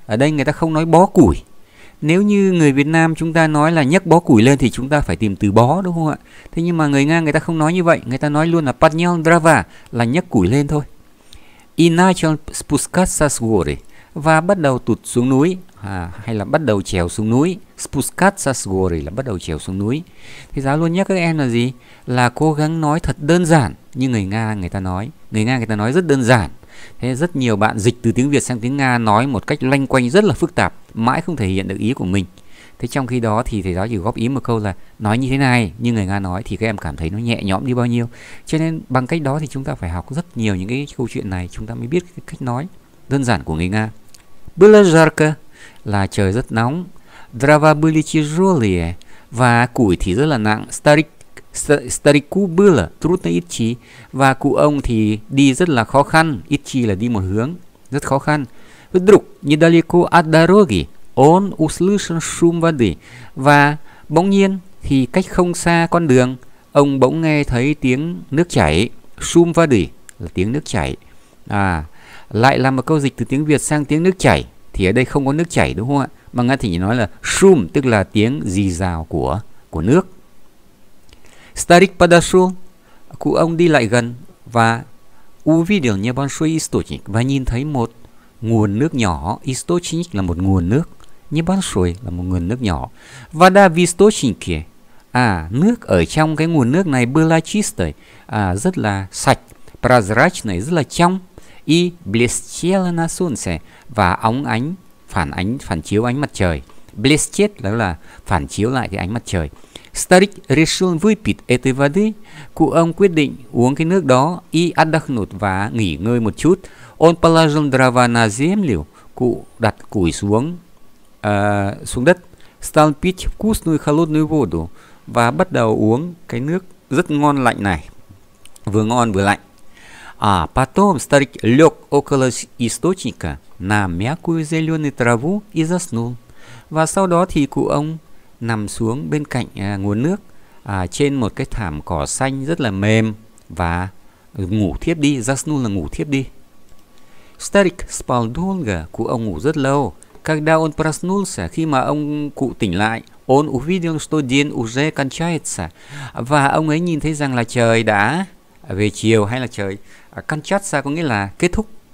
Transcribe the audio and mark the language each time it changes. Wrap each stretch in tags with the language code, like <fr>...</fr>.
<vi>Ở đây người ta không nói bó củi. Nếu như người Việt Nam chúng ta nói là nhấc bó củi lên thì chúng ta phải tìm từ bó, đúng không ạ? Thế nhưng mà người Nga người ta không nói như vậy, người ta nói luôn là</vi> <ru>поднял дрова</ru> <vi>là nhấc củi lên thôi.</vi> <ru>И начал спускаться с горы.</ru> <vi>Và bắt đầu tụt xuống núi, hay là bắt đầu trèo xuống núi.</vi> <ru>Спускаться с горы</ru> <vi>là bắt đầu trèo xuống núi. Thì giáo luôn nhắc các em là gì? Là cố gắng nói thật đơn giản như người Nga người ta nói. Người Nga người ta nói rất đơn giản. Thế rất nhiều bạn dịch từ tiếng Việt sang tiếng Nga nói một cách loanh quanh rất là phức tạp, mãi không thể hiện được ý của mình. Thế trong khi đó thì thầy giáo chỉ góp ý một câu là nói như thế này, như người Nga nói, thì các em cảm thấy nó nhẹ nhõm đi bao nhiêu. Cho nên bằng cách đó thì chúng ta phải học rất nhiều những cái câu chuyện này, chúng ta mới biết cái cách nói đơn giản của người Nga.</vi> <ru>Было жарко,</ru> <vi>là trời rất nóng.</vi> <ru>Дрова были тяжелые,</ru> <vi>và củi thì rất là nặng.</vi> <ru>Старику было трудно идти,</ru> <vi>và cụ ông thì đi rất là khó khăn. Идти là đi một hướng, rất khó khăн.</vi> <ru>Вдруг недалеко от дороги он услышал шум воды.</ru> <vi>Và bỗng nhiên thì cách không xa con đường, ông bỗng nghe thấy tiếng nước chảy.</vi> <ru>Шум воды</ru> <vi>là tiếng nước chảy. À, lại là một câu dịch từ tiếng Việt sang tiếng nước chảy. Thì ở đây không có nước chảy, đúng không ạ? Mà Nga thì nói là шум, tức là tiếng rì rào của nước.</vi> <ru>Старик подошел.</ru> <vi>Cụ ông đi lại gần và</vi> <ru>увидел небольшой источник,</ru> <vi>và nhìn thấy một nguồn nước nhỏ. Источник là một nguồn nước. Небольшой là một nguồn nước nhỏ.</vi> <ru>Вода в источнике.</ru> <vi>À, nước ở trong cái nguồn nước này</vi> <ru>была чистой.</ru> <vi>À, rất là sạch. Прозрачной, rất là trong.</vi> <ru>И блестела на солнце.</ru> <vi>Và óng ánh, phản chiếu ánh mặt trời. Блестет là phản chiếu lại cái ánh mặt trời.</vi> <ru>Старик решил выпить этой воды.</ru> <vi>Cụ ông quyết định uống cái nước đó,</vi> <ru>и отдохнуть,</ru> <vi>và nghỉ ngơi một chút.</vi> <ru>Он положил дрова на землю.</ru> <vi>Cụ đặt củi xuống, xuống đất.</vi> <ru>Стал пить вкусную холодную воду,</ru> <vi>và bắt đầu uống cái nước rất ngon lạnh này. Vừa ngon vừa lạnh.</vi> <ru>А потом старик лег около источника на мягкую зеленую траву и заснул.</ru> <vi>Và sau đó thì cụ ông nằm xuống bên cạnh nguồn nước, trên một cái thảm cỏ xanh rất là mềm, và ngủ thiếp đi. Заснул là ngủ thiếp đi.</vi> <ru>Старик спал долго.</ru> <vi>Cụ ông ngủ rất lâu.</vi> <ru>Когда он проснулся,</ru> <vi>khi mà ông cụ tỉnh lại,</vi> <ru>он увидел, что день уже кончается,</ru> <vi>và ông ấy nhìn thấy rằng là trời đã về chiều, hay là trời кончается có nghĩa là kết thúc.</vi>